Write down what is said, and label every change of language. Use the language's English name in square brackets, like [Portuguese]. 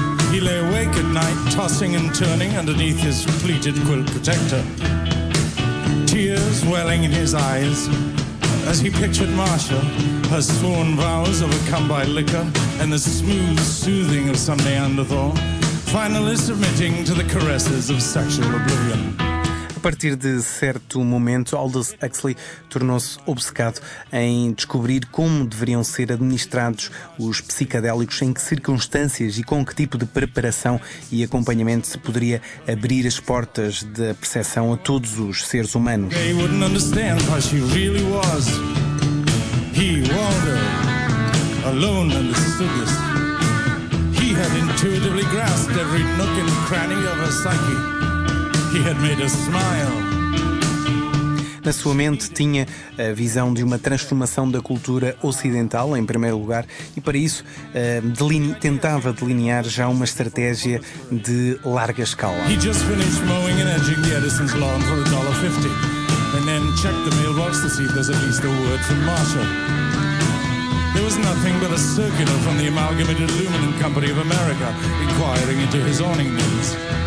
[English] He lay awake at night, tossing and turning underneath his pleated quilt protector. Tears welling in his eyes as he pictured Marcia, her sworn vows overcome by liquor and the smooth soothing of some Neanderthal, finally submitting to the caresses of sexual oblivion. [Portuguese] A partir de certo momento, Aldous Huxley tornou-se obcecado em descobrir como deveriam ser administrados os psicadélicos, em que circunstâncias e com que tipo de preparação e acompanhamento se poderia abrir as portas da percepção a todos os seres humanos. [English] He wouldn't understand how she really was. He, Waldo, alone understood this. He had intuitively grasped every nook and cranny of her psyche. He had made a smile. [Portuguese] Na sua mente tinha a visão de uma transformação da cultura ocidental, em primeiro lugar, e para isso tentava delinear já uma estratégia de larga escala. [English] He just finished mowing and edging the Edison's lawn for $1.50, and then checked the mailbox to see if there's at least a word from Marshall. There was nothing but a circular from the Amalgamated Aluminum Company of America inquiring into his awning needs.